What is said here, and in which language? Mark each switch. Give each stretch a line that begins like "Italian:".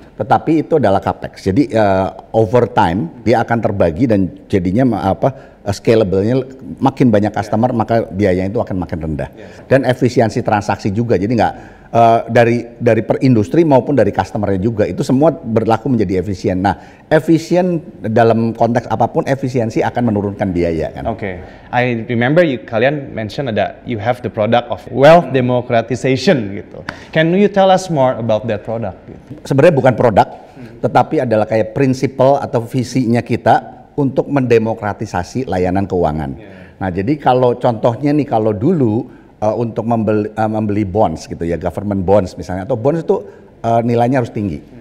Indonesian: Tetapi itu adalah capex. Jadi
English: over time
Indonesian: dia akan terbagi dan jadinya scalable-nya makin banyak customer maka biayanya itu akan makin rendah. Dan efisiensi transaksi juga. Jadi nggak dari per industri maupun dari customer-nya juga itu semua berlaku menjadi efisien. Nah, efisien dalam konteks apapun efisiensi akan menurunkan biaya kan. Oke. Okay.
English: I remember
Indonesian: kalian
English: mention
Indonesian: ada
English: you have the product of wealth democratization
Indonesian: gitu.
English: Can you tell us more about that product?
Indonesian: Sebenarnya bukan produk, tetapi adalah kayak principle atau visinya kita untuk mendemokratisasi layanan keuangan. Yeah. Nah, jadi kalau contohnya nih kalau dulu untuk membeli bonds gitu ya, government bonds misalnya, atau bonds itu nilainya harus tinggi.